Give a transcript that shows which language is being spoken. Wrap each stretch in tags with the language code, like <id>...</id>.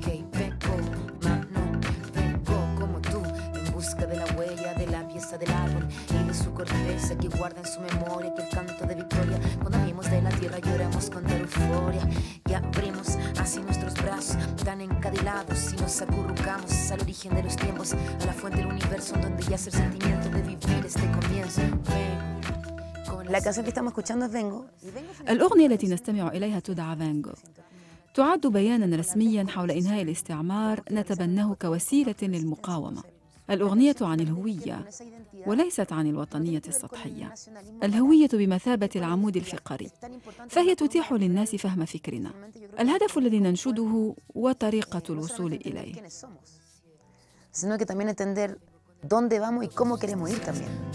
<es>Que vengo, mano, vengo como tú en busca de la huella de la pieza del árbol y de su corteza que guarda en su memoria que el canto de victoria. Cuando venimos de la tierra lloramos con tal euforia y abrimos así nuestros brazos tan encadilados y nos acurrucamos al origen de los tiempos, a la fuente del universo donde yace el sentimiento de vivir este comienzo.</es> <ar>الأغنية التي نستمع إليها تدعى فانغو، تعد بياناً رسمياً حول إنهاء الاستعمار نتبناه كوسيلة للمقاومة. الأغنية عن الهوية وليست عن الوطنية السطحية، الهوية بمثابة العمود الفقري، فهي تتيح للناس فهم فكرنا، الهدف الذي ننشده وطريقة الوصول إليه.</ar> <es>sino que también entender dónde vamos y cómo queremos ir también.</es>